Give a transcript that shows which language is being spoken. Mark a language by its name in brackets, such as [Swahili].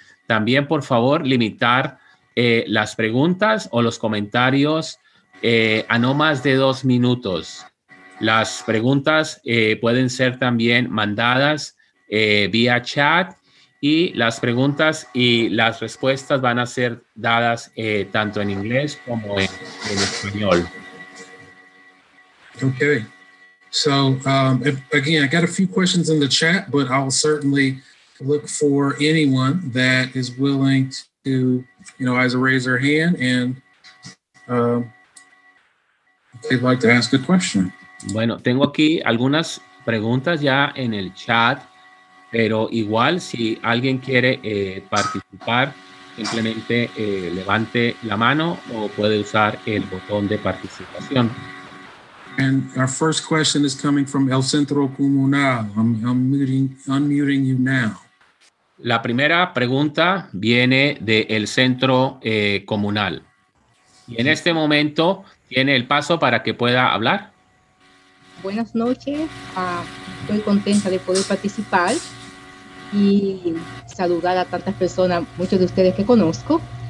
[Spanish] También, por favor, limitar las preguntas o los comentarios a no más de 2 minutos. Las preguntas pueden ser también mandadas vía chat y las preguntas y las respuestas van a ser dadas tanto en inglés como en español. Okay. [English] So, again, I got a few questions in the chat, but I'll certainly look for anyone that is willing to, you know, as a raise their hand and they'd like to ask a question. [Spanish] Bueno, tengo aquí algunas preguntas ya en el chat, pero igual si alguien quiere participar, simplemente levante la mano o puede usar el botón de participación. [English] And our first question is coming from El Centro Comunal. I'm unmuting you now. [Spanish] La primera pregunta viene de El Centro Comunal. Y en este momento tiene el paso para que pueda hablar. Buenas noches, estoy contenta de poder participar y saludar a tantas personas, muchos de ustedes que conozco.